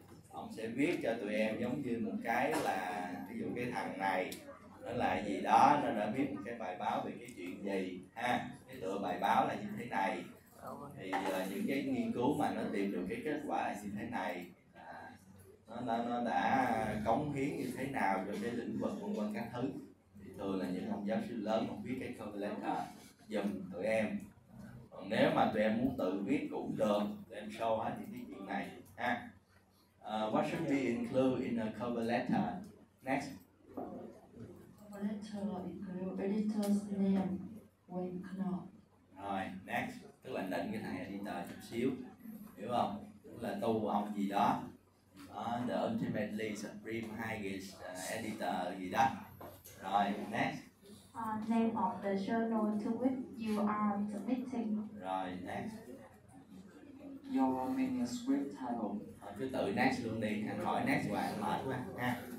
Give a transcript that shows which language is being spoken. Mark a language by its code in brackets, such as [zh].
[vi] Ông sẽ viết cho tụi em giống như một cái là ví dụ cái thằng này nó là gì đó, nó đã viết một cái bài báo về cái chuyện gì ha, cái tựa bài báo là như thế này, thì những cái nghiên cứu mà nó tìm được cái kết quả là như thế này, nó đã cống hiến như thế nào cho cái lĩnh vực vân vân các thứ. Thì thường là những ông giáo sư lớn ông viết cái cover letter giùm tụi em. Còn nếu mà tụi em muốn tự viết cũng được, tụi em show hết những cái chuyện này ha. [en] What should be included in a cover letter? Next. Cover letter include editor's name, when clock. Rồi, next. [vi] Tức là định cái thằng editor chút xíu, hiểu không? Tức là tu ông gì đó. [en] The ultimately supreme highest editor [vi] gì đó. Rồi, next. [en] Name of the journal to which you are submitting. Rồi, next. Your manuscript title. [vi] Cứ tự next luôn đi, anh hỏi next hoài mệt quá ha.